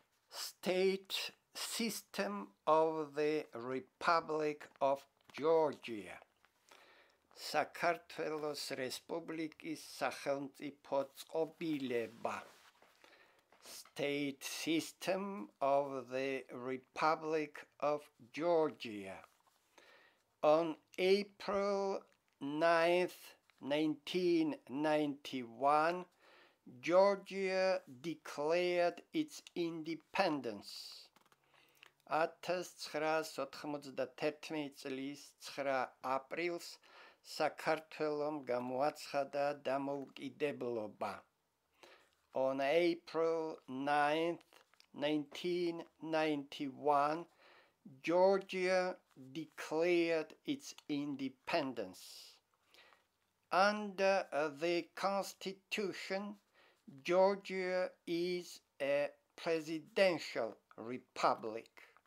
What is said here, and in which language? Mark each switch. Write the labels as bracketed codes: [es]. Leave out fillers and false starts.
[en] State system of the Republic of Georgia. [ka] საქართველოს რესპუბლიკის სახელმწიფო წყობილება. [en] State system of the Republic of Georgia. On April 9th, 1991, Georgia declared its independence. [ka] 1991 წლის 9 აპრილს საქართველომ გამოაცხადა დამოუკიდებლობა. [en] On April 9th, 1991, Georgia declared its independence. Under the Constitution, Georgia is a presidential republic.